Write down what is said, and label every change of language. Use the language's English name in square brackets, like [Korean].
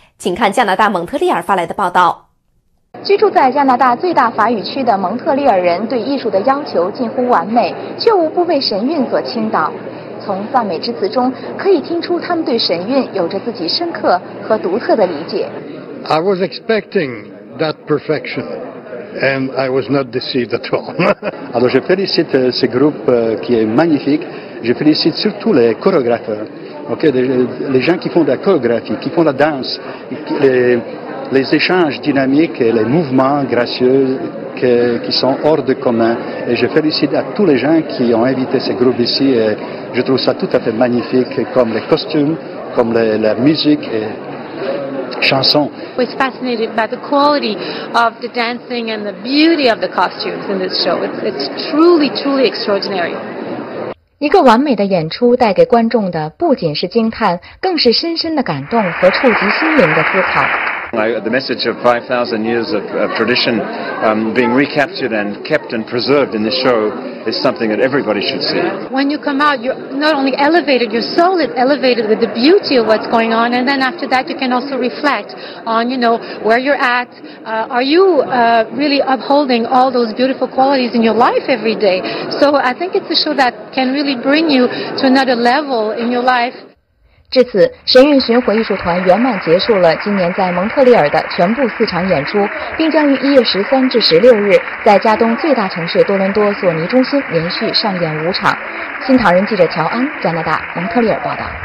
[Chinese] 请看加拿大蒙特利尔发来的报道。居住在加拿大最大法语区的蒙特利尔人对艺术的要求近乎完美，却无不被神韵所倾倒。从赞美之词中可以听出他们对神韵有着自己深刻和独特的理解。 [English] I was expectingThat perfection, and I was not deceived at all. [French] Alors, je félicite ce groupe qui est magnifique. je félicite surtout les chorégraphes, okay, les gens qui font de la chorégraphie, qui font la danse, les échanges dynamiques et les mouvements gracieux qui sont hors de commun. Et je félicite à tous les gens qui ont invité ces groupes ici. Et je trouve ça tout à fait magnifique, comme les costumes, comme la musique et chansons. [English] I was fascinated by the quality of the dancing and the beauty of the costumes in this show. It's truly, truly extraordinary. [Chinese] 一个完美的演出带给观众的不仅是惊叹，更是深深的感动和触及心灵的思考。 [English] The message of 5,000 years of tradition being recaptured and kept and preserved in this show is something that everybody should see. When you come out, you're not only elevated, your soul is elevated with the beauty of what's going on, and then after that you can also reflect on, you know, where you're at. Are you really upholding all those beautiful qualities in your life every day? So I think it's a show that can really bring you to another level in your life. [Chinese] 至此，神韵巡回艺术团圆满结束了今年在蒙特利尔的全部四场演出，并将于1月13至16日在加东最大城市多伦多索尼中心连续上演5场。新唐人记者乔安，加拿大蒙特利尔报道。